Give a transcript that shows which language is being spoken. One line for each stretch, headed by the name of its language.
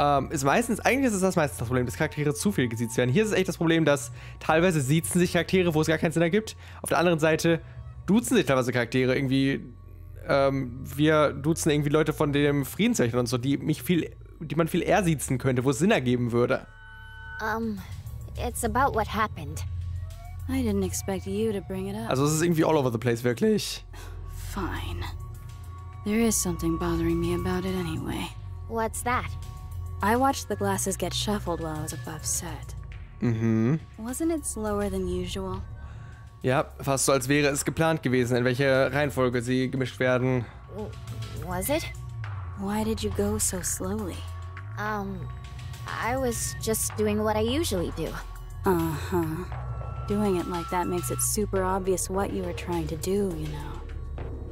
German: Ist das meistens das Problem, dass Charaktere zu viel gesiezt werden. Hier ist es echt das Problem, dass teilweise siezen sich Charaktere, wo es gar keinen Sinn ergibt. Auf der anderen Seite duzen sich teilweise Charaktere irgendwie. Wir duzen irgendwie Leute von dem Friedenswächter und so, die man viel eher siezen könnte, wo es Sinn ergeben würde.
English: It's about what happened. I didn't expect you to bring it up.
German: Also es ist irgendwie
English: all over the place,
German: wirklich.
English: Fine. There is something bothering me about it anyway. What's that? I watched the glasses get shuffled while I was above set. Mhm. Wasn't it slower than usual?
German: Ja, fast so, als wäre es geplant gewesen, in welche Reihenfolge sie gemischt werden.
English: Was it? Why did you go so slowly? I was just doing what I usually do. Uh-huh. Doing it like that makes it super obvious what you were trying to do, you know.